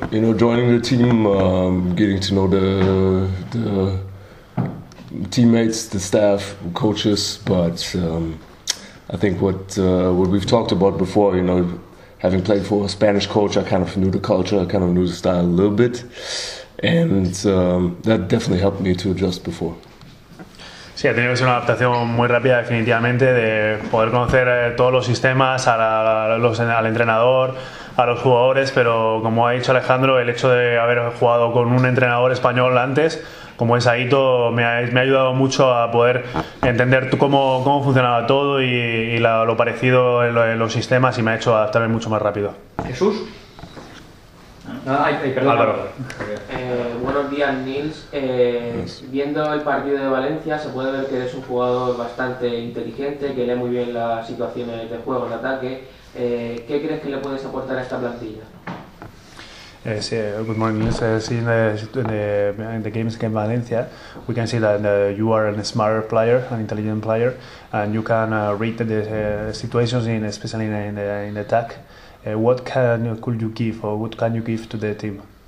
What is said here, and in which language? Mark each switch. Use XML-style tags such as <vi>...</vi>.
<en>You know, joining the team, getting to know the teammates, the staff, coaches. But I think what we've talked about before, you know, having played for a Spanish coach, I kind of knew the culture, I kind of knew the style a little bit. And that definitely helped me to adjust before.</en> <es>Sí, ha tenido que ser una adaptación muy rápida, definitivamente, de poder conocer todos los sistemas, al entrenador, a los jugadores, pero como ha dicho Alejandro, el hecho de haber jugado con un entrenador español antes, como es Aito, me ha ayudado mucho a poder entender cómo funcionaba todo y lo parecido en los sistemas, y me ha hecho adaptarme mucho más rápido. ¿Jesús? Perdón. Álvaro. Buenos días, Nils. Viendo el partido de Valencia, se puede ver que eres un jugador bastante inteligente, que lee muy bien las situaciones de juego, de ataque. ¿Qué crees que le puedes aportar a esta plantilla? Sí,</es> <en>good morning. So, in the games against Valencia, we can see that you are a smarter player, an intelligent player, and you can read the situations, especially in the attack. What can you give to the team?</en>